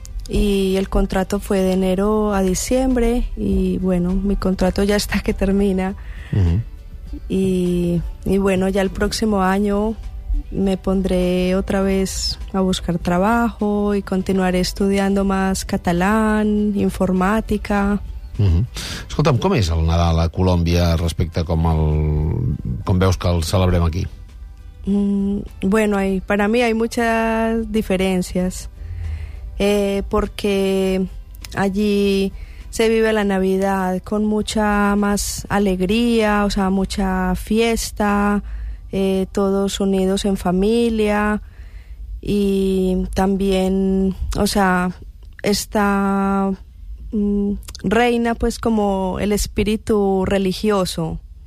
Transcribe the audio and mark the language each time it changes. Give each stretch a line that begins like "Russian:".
Spanish: Y el contrato fue de enero a diciembre y bueno, mi contrato ya está que termina. Y bueno, ya el próximo año me pondré otra vez a buscar trabajo y continuaré estudiando más catalán, informática.
Catalan: Escolta'm, com és el Nadal a Colòmbia respecte a com veus que el celebrem aquí?
Spanish: Bueno, para mí hay muchas diferencias. Porque allí se vive la Navidad con mucha más alegría, o sea, mucha fiesta, todos unidos en familia, y también, o sea, está reina pues como el espíritu religioso.